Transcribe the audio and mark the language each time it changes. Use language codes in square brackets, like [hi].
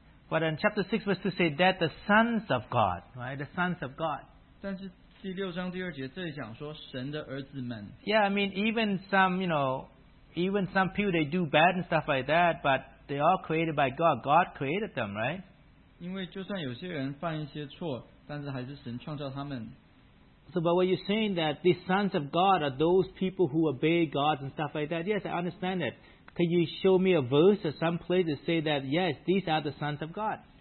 [en] But in chapter 6, verse 2 say that the sons of God, right? The sons of God. [zh] 但是第六章第二节这里讲说神的儿子们. [en] Yeah, I mean, even some, you know, even some people, they do bad and stuff like that, but they are created by God. God created them, right? [zh] 因为就算有些人犯一些错,但是还是神创造他们. [en] So, but what you're saying that these sons of God are those people who obey God and stuff like that? Yes, I understand that. Can you show me a verse or some place to say that, yes, these are the sons of God?